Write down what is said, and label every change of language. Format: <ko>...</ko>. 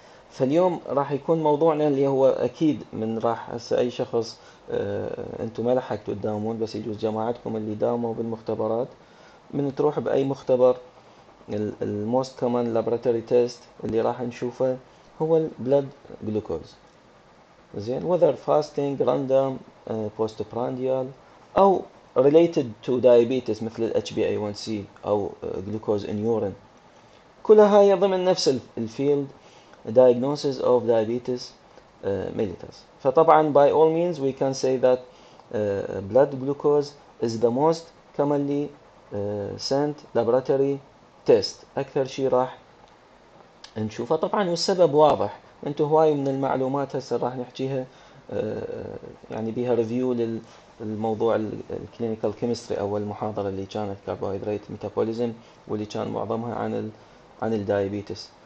<ar>فاليوم راح يكون موضوعنا اللي هو اكيد من راح هسه اي شخص انتم ما لحقتوا تداومون، بس يجوز جماعتكم اللي داوموا بالمختبرات، من تروح باي مختبر</ar> <en>الموست common laboratory test</en> <ar>اللي راح نشوفه هو البلد جلوكوز، زين،</ar> <en>whether fasting, random, post prandial, او related to diabetes</en> <ar>مثل الاتش بي اي 1 سي او</ar> <en>Glucose in urine.</en> <ar>كل هاي ضمن نفس الفيلد</ar> <en>diagnosis of diabetes mellitus. فطبعا by all means we can say that blood glucose is the most commonly sent laboratory test.</en> <ar>اكثر شيء راح نشوفه طبعا، والسبب واضح. انتو هواي من المعلومات هسه راح نحكيها يعني بيها ريفيو للموضوع الكلينيكال كيمستري، اول محاضره اللي كانت كربوهيدرات ميتابوليزم واللي كان معظمها عن الدايابيتس.</ar>